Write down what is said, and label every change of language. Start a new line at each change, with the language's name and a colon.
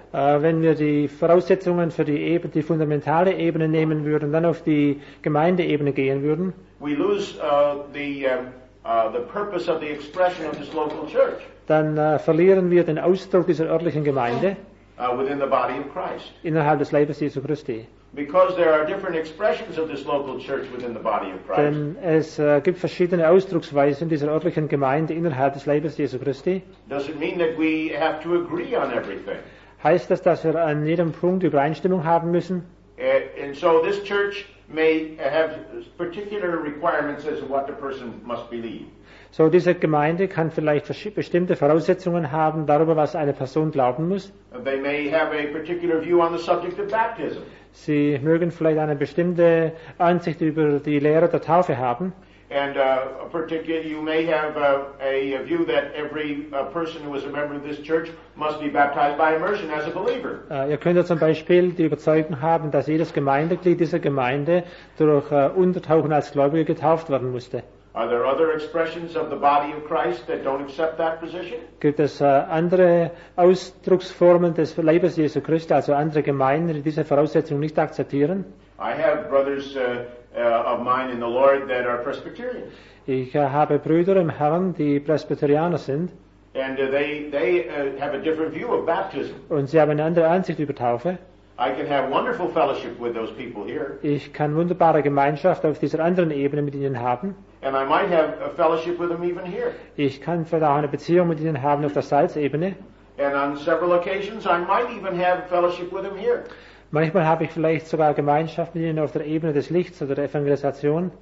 German: Wenn wir die Voraussetzungen für die fundamentale Ebene nehmen würden, dann auf die Gemeindeebene gehen würden.
English: We lose the purpose of the expression of this local church.
German: Dann verlieren wir den Ausdruck dieser örtlichen Gemeinde.
English: Within the body of Christ.
German: Innerhalb des Leibes Jesu Christi.
English: Because there are different expressions of this local church within the body of Christ.
German: Denn es gibt verschiedene Ausdrucksweisen dieser örtlichen Gemeinde innerhalb des Leibes Jesu Christi.
English: Does it mean that we have to agree on everything?
German: Heißt das, dass wir an jedem Punkt Übereinstimmung haben müssen?
English: And so this church may have particular requirements as to what the person must believe.
German: So diese Gemeinde kann vielleicht bestimmte Voraussetzungen haben darüber, was eine Person glauben muss.
English: They may have a particular view on the subject of baptism.
German: Sie mögen vielleicht eine bestimmte Ansicht über die Lehre der Taufe haben.
English: And you may have a view that every person who is a member of this church must be baptized by immersion as a believer.
German: Ihr könnt zum Beispiel die Überzeugung haben, dass jedes Gemeindeglied dieser Gemeinde durch Untertauchen als Gläubiger getauft werden musste.
English: Are there other expressions of the body of Christ that don't accept that position?
German: Gibt es andere Ausdrucksformen des Leibes Jesu Christi, also andere Gemeinden, die diese Voraussetzung nicht akzeptieren?
English: I have brothers of mine in the Lord that are Presbyterians.
German: Ich habe Brüder im Herrn, die Presbyterianer sind.
English: And they have a different view of baptism.
German: Und sie haben eine andere Ansicht über Taufe.
English: I can have wonderful fellowship with those people here.
German: Ich kann wunderbare Gemeinschaft auf dieser anderen Ebene mit ihnen haben.
English: And I might have a fellowship with them even here.
German: Ich kann vielleicht auch eine Beziehung mit ihnen haben auf der Salzebene.
English: And on several occasions I might even have fellowship with them here.
German: Manchmal habe ich vielleicht sogar Gemeinschaft mit ihnen auf der Ebene des Lichts oder der Evangelisation.